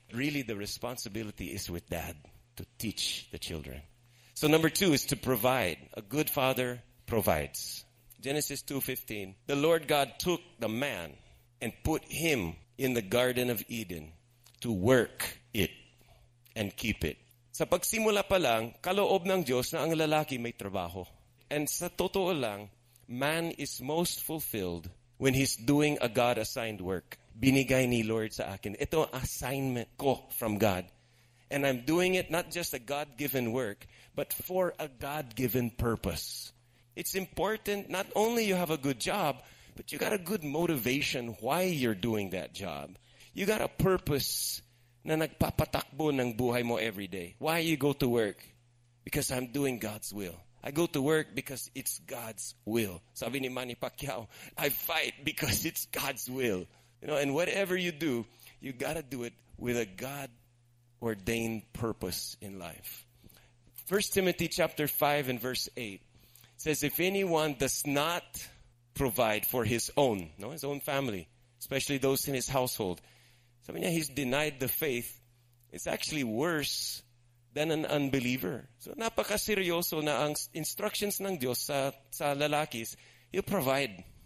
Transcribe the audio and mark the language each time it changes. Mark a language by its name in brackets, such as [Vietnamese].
[English] Really, the responsibility is with dad to teach the children. So number two is to provide. A good father provides. Genesis 2:15, the Lord God took the man and put him in the Garden of Eden to work it and keep it. [Filipino] Sa pagsimula pa lang, kaloob ng Diyos na ang lalaki may trabaho. [English] And [Filipino] sa totoo lang, [English] man is most fulfilled when he's doing a God-assigned work. [Filipino] Binigay ni Lord sa akin. Ito ang assignment ko [English] from God. And I'm doing it not just a God-given work, but for a God-given purpose. It's important not only you have a good job, but you got a good motivation why you're doing that job. You got a purpose [Filipino] na nagpapatakbo ng buhay mo [English] every day. Why you go to work? Because I'm doing God's will. I go to work because it's God's will. [Filipino] Sabi ni [English] Manny Pacquiao, I fight because it's God's will. You know, and whatever you do, you got to do it with a God-ordained purpose in life. 1 Timothy chapter 5 and verse 8 says, if anyone does not provide for his own, no, his own family, especially those in his household, [Filipino] sabi niya, [English] he's denied the faith. It's actually worse than an unbeliever. [Filipino] So napakaseryoso na ang instructions ng Diyos sa lalakis, [English] he'll provide.